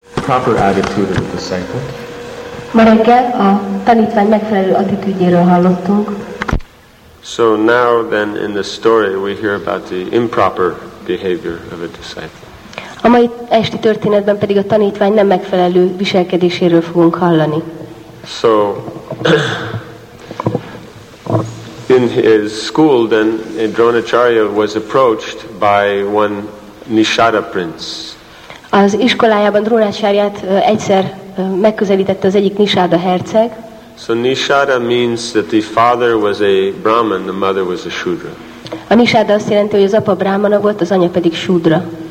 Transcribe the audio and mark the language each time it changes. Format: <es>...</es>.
<en>proper attitude of the disciple.</en> <hu>Ma reggel a tanítvány megfelelő attitűdjéről hallottunk.</hu> <en>So now then in the story we hear about the improper behavior of a disciple.</en> <hu>A mai esti történetben pedig a tanítvány nem megfelelő viselkedéséről fogunk hallani.</hu> <en>So in his school then Dronacharya was approached by one Nishada prince.</en> <hu>Az iskolájában Dronacharyát egyszer megközelítette az egyik Nishada herceg.</hu> <en>So Nishada means that the father was a Brahman, the mother was a Shudra.</en> <hu>A Nishada azt jelenti, hogy az apa Brahmana volt, az anya pedig Shudra.</hu>